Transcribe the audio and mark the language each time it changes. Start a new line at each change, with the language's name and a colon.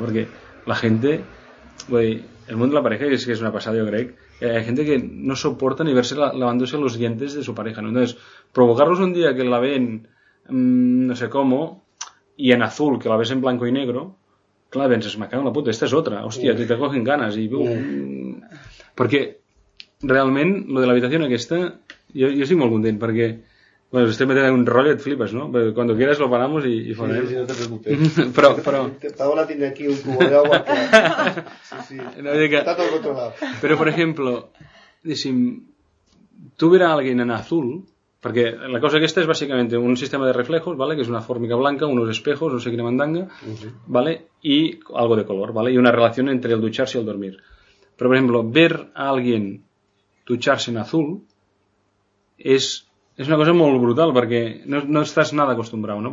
Spanish: Porque la gente, güey, el mundo de la pareja es que es una pasada, yo creo. Hay gente que no soporta ni verse lavándose los dientes de su pareja, ¿no? Entonces, provocarlos un día que la ven, no sé cómo, y en azul, que la ves en blanco y negro... Claro, pensas, me cago en la puta, esta es otra. Hostia, te cogen ganas.
Catalan: Y Porque realment, lo de l'habitació aquesta, jo estic molt content, perquè, bueno, si estem metent un rotllo et flipes, no? Però quan
Spanish: quieras lo paramos i sí, fonem. Sí, no te preocupes. Però... Paola tiene aquí un cubo de agua. Sí, sí. No, que... Está todo controlado.
Catalan: Però, per exemple, diguéssim, tu verà
Spanish: alguien en azul,
Catalan: perquè la cosa aquesta és bàsicament un sistema de reflejos, ¿vale? Que és una fórmica blanca, uns espejos, no sé quina mandanga, uh-huh, ¿vale? I algo de color, ¿vale? I una relació entre el dutxar-se i el dormir. Però, per exemple,
Spanish: ver a alguien
Catalan: dutxar-se en azul és una cosa molt brutal, perquè no estàs
Spanish: nada acostumbrat,
Catalan: ¿no?